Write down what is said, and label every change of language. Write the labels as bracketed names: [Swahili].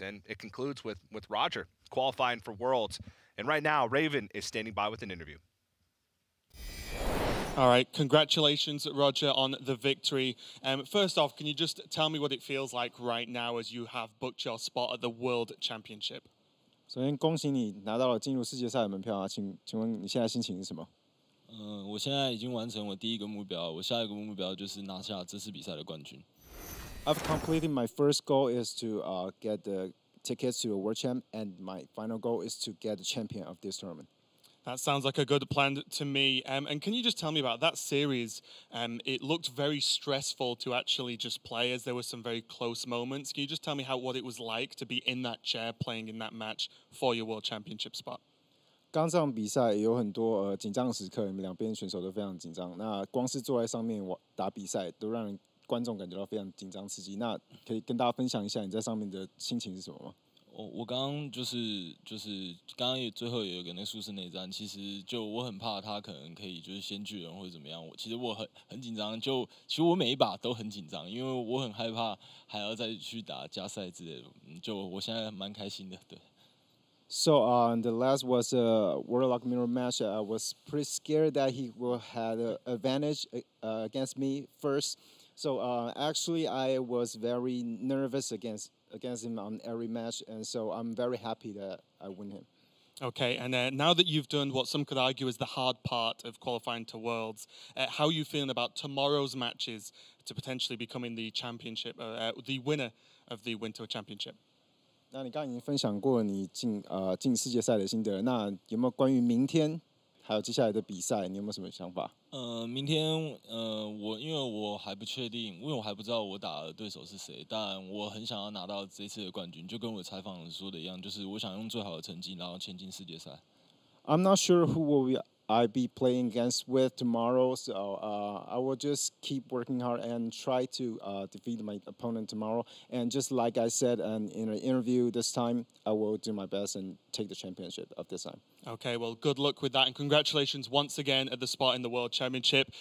[English] And it concludes with Roger qualifying for Worlds. And right now, Raven is standing by with an interview. All right. Congratulations, Roger, on the victory. First off, can you just tell me what it feels like right now as you have booked your spot at the World Championship? [Chinese] 首先恭喜你拿到了进入世界赛的门票啊，请问你现在心情是什么？我现在已经完成我第一个目标，我下一个目标就是拿下这次比赛的冠军。 [English] I've completed my first goal is to get the tickets to a world champ, and my final goal is to get the champion of this tournament. That sounds like a good plan to me. And can you just tell me about that series? It looked very stressful to actually just play, as there were some very close moments. Can you just tell me what it was like to be in that chair playing in that match for your World Championship spot? [Chinese] 刚这场比赛有很多紧张的时刻，你们两边选手都非常紧张。那光是坐在上面打比赛，都让观众感觉到非常紧张刺激。那可以跟大家分享一下你在上面的心情是什么吗？我刚刚就是刚刚也最后也有个那个舒适内战，其实就我很怕他可能可以就是先巨人或者怎么样，我其实我很紧张，就其实我每一把都很紧张，因为我很害怕还要再去打加赛之类的，就我现在蛮开心的，对。 [English] So the last was a Warlock Mirror match. I was pretty scared that he will have an advantage against me first. So actually I was very nervous against him on every match, and so I'm very happy that I win him. Okay, and now that you've done what some could argue is the hard part of qualifying to Worlds, how are you feeling about tomorrow's matches to potentially becoming the championship, the winner of the Winter Championship? [Chinese] 那你刚刚已经分享过你进世界赛的心得，那有没有关于明天还有接下来的比赛，你有没有什么想法？明天，我还不确定，因为我还不知道我打的对手是谁，但我很想要拿到这次的冠军，就跟我采访说的一样，就是我想用最好的成绩，然后前进世界赛。 [English] I'm not sure who will I be playing against with tomorrow, so I will just keep working hard and try to defeat my opponent tomorrow. And just like I said in an interview this time, I will do my best and take the championship of this time. Okay, well, good luck with that, and congratulations once again at the spot in the World Championship.